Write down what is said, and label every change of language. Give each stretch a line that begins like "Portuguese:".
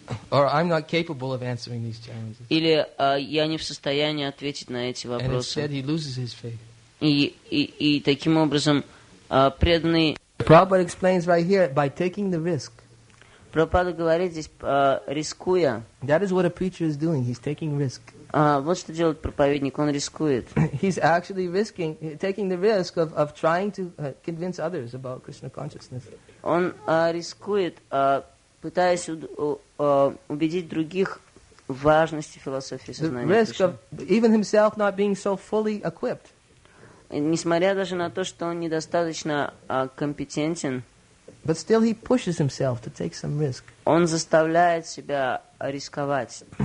English: Or I'm not capable of answering these challenges.
Russian: Или я не в состоянии ответить на эти вопросы.
English: And instead he loses his faith.
Russian: И таким образом преданный...
English: Prabhupada explains right here, by taking the risk.
Russian: Прабхупада говорит здесь, рискуя.
English: That is what a preacher is doing, he's taking risk.
Russian: Вот что делает проповедник, он рискует.
English: He's actually risking, taking the risk of trying to convince others about Krishna consciousness.
Russian: Он рискует, пытаясь убедить других в важности философии сознания
English: Кришны. The risk of even himself not being so fully equipped.
Russian: Несмотря даже на то, что он недостаточно компетентен,
English: but still he pushes himself to take some risk.
Russian: Он заставляет себя рисковать.